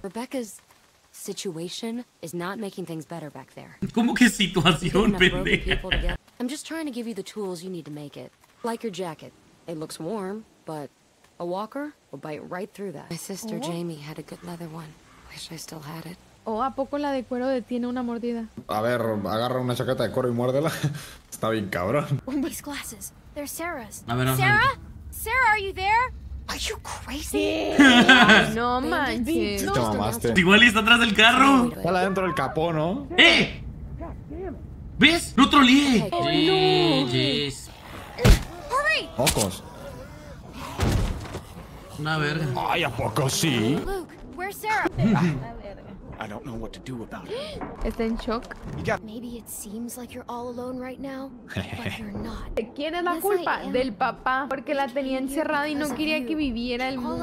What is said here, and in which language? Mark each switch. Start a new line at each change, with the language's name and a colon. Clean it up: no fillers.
English: Rebecca's situation is not making things better back there.
Spanish: ¿Cómo que situación, pendejo?
English: I'm just trying to give you the tools you need to make it. Like your jacket. It looks warm, but a walker will bite right through that. My sister Jamie had a good leather one. Wish I still had it.
Spanish: ¿A poco la de cuero detiene una mordida? A ver, agarra una chaqueta de cuero y muérdela. Está bien cabrón.
English: These glasses. They're Sarah's.
Spanish: A ver,
English: Sarah, are you there? Are you crazy?
Spanish: No manches. Te mamaste. Igual está atrás del carro. Está adentro del capó, ¿no? ¡Eh! ¿Ves? ¡Lo trolleé! ¡Jeez!
English: ¡Hurry!
Spanish: ¡Pocos! Una verga. ¡Ay, a poco sí!
English: Luke, where's Sarah? I don't know what to do about it.
Spanish: Está en shock.
English: Maybe it seems like you're all alone right now, but you're not.
Spanish: ¿Quién es la culpa? Del papá, porque la tenía encerrada y no quería que viviera el mundo.